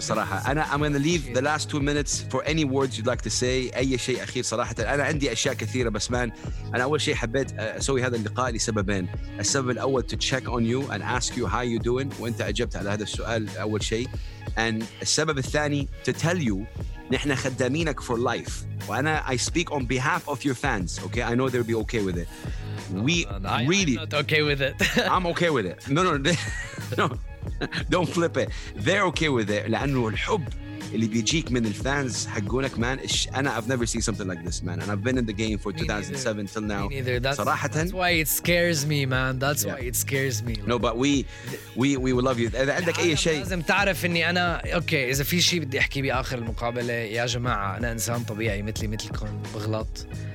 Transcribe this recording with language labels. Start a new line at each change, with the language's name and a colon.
Arabic: صراحة أنا
English: I'm gonna leave the last two minutes for any words you'd like to say.
Arabic: أي شيء أخير صراحة. أنا عندي أشياء كثيرة بس man. أنا أول شيء حبيت أسوي هذا اللقاء لسببين. السبب الأول
English: to check on you and ask you how you doing.
Arabic: وأنت أجبت على هذا السؤال أول شيء.
English: And
Arabic: السبب الثاني
English: to tell you
Arabic: نحن خدامينك
English: for life.
Arabic: وأنا
English: I speak on behalf of your fans. Okay, I know they'll be okay with it. I'm okay with it. No. Don't flip it. They're okay with it.
Arabic: لأنه الحب اللي بيجيك من الفانز حقونك, man. أنا
English: I've never seen something like this, man. And I've been in the game for 2007 till now.
Arabic: صراحة.
English: That's why it scares me, man. No, but we will love you.
Arabic: إذا عندك أي شيء. لازم تعرف إني أنا okay. إذا في شيء بدي أحكي بآخر المقابلة يا جماعة أنا إنسان طبيعي مثلي مثلكم بغلط.